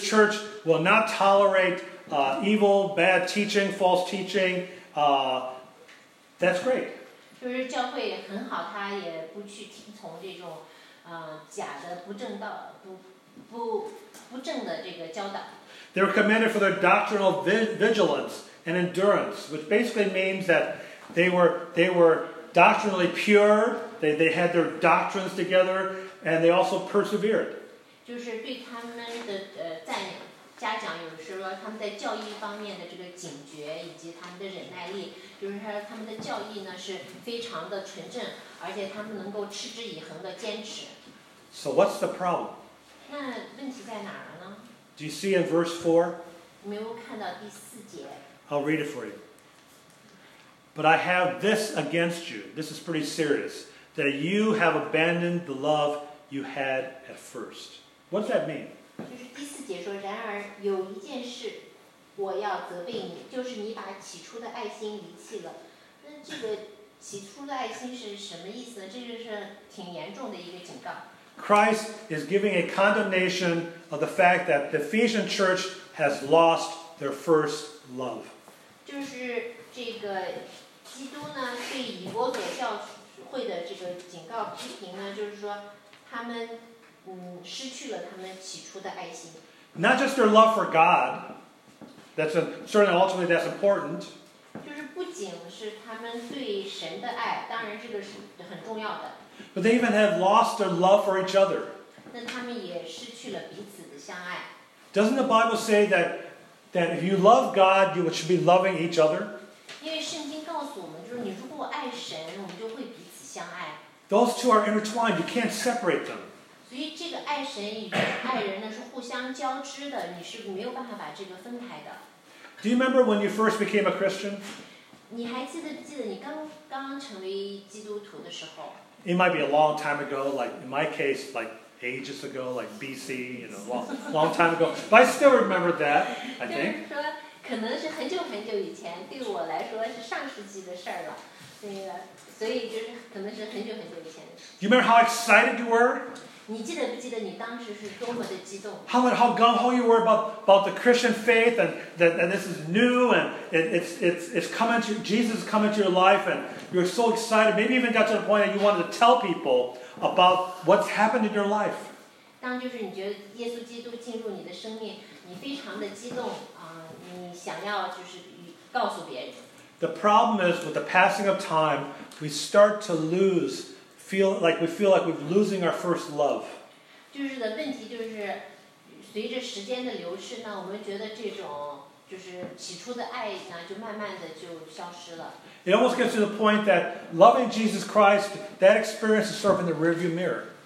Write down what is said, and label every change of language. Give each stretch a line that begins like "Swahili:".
English: church will not tolerate evil, bad teaching, false teaching. That's great.
Chinese: 就是教会很好，他也不去听从这种。假的不正道，不正的这个教导。
English: They're commended for their doctrinal vigilance and endurance, which basically means that they were doctrinally pure. They had their doctrines together, and they also persevered.
Chinese: 就是对他们的赞扬嘉奖，有时候他们在教义方面的这个警觉以及他们的忍耐力，就是说他们的教义呢是非常的纯正，而且他们能够持之以恒的坚持。
English: So what's the problem?
Chinese: 那问题在哪儿呢？
English: Do you see in verse 4?
Chinese: 你没有看到第四节？
English: I'll read it for you. But I have this against you. This is pretty serious. That you have abandoned the love you had at first. What does that mean?
Chinese: 就是第四节说，然而有一件事我要责备你，就是你把起初的爱心离弃了。那这个起初的爱心是什么意思呢？这就是挺严重的一个警告。
English: Christ is giving a condemnation of the fact that the Ephesian church has lost their first love.
Chinese: 就是这个基督呢对以弗所教会的这个警告批评呢，就是说他们失去了他们起初的爱心。
English: Not just their love for God. That's certainly ultimately that's important.
Chinese: 就是不仅是他们对神的爱，当然这个是很重要的。
English: But they even have lost their love for each other.
Chinese: 但他们也失去了彼此的相爱。
English: Doesn't the Bible say that if you love God, you should be loving each other?
Chinese: 因为圣经告诉我们，就是你如果爱神，我们就会彼此相爱。
English: Those two are intertwined. You can't separate them.
Chinese: 所以这个爱神与爱人呢是互相交织的，你是没有办法把这个分开的。
English: Do you remember when you first became a Christian?
Chinese: 你还记得你刚刚成为基督徒的时候？
English: It might be a long time ago, like in my case, like ages ago, like BC, you know, long time ago. But I still remember that, I think.
Chinese: 就是说，可能是很久很久以前，对我来说是上世纪的事了。所以就是可能是很久很久以前。
English: Do you remember how excited you were?
Chinese: 你记得不记得你当时是多么的激动？
English: How gung-ho you were about the Christian faith and this is new and it's coming to Jesus is coming to your life and you're so excited. Maybe even got to the point that you wanted to tell people about what's happened in your life.
Chinese: 当就是你觉得耶稣基督进入你的生命，你非常的激动啊，你想要就是告诉别人。
English: The problem is with the passing of time, we start to lose. feel like we're losing our first love.
Chinese: 就是的问题就是随着时间的流逝呢，我们觉得这种就是起初的爱呢就慢慢的就消失了。
English: It almost gets to the point that loving Jesus Christ, that experience is sort of in the rearview mirror.